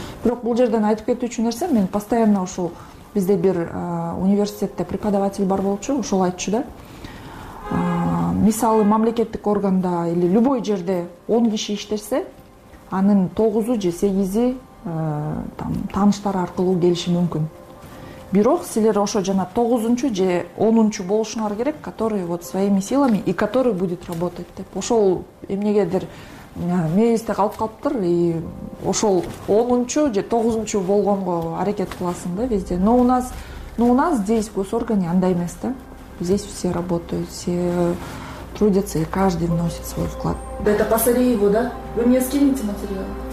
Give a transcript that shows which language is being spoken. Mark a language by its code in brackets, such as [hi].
[ky] Бирок бул жерден айтып кетүүчү нерсе, мен постоянно ушул бизде бир университетте преподаватель бар болчу, ошол айтчу да. Мисалы мамлекеттик органда [ru] или любой [ky] жерде 10 киши иштерсе, анын 9 же 8 там тааныштар аркылуу келиши мүмкүн. Бирок силер ошо жана 9-чу же 10-чу болушуңар керек, [ru] который вот своими силами и который будет работать [ky] деп. Ошол эмнегедир мээбизде калып калыптыр и ошол 10-чу же 9-чу болгонго аракет кыласың да везде. [ru] Но у нас здесь в госоргане [ky] андай эмес да. [ru] Здесь все работают, все трудятся, и каждый вносит свой вклад. Да это по Сареву, да? Вы мне скинете материал?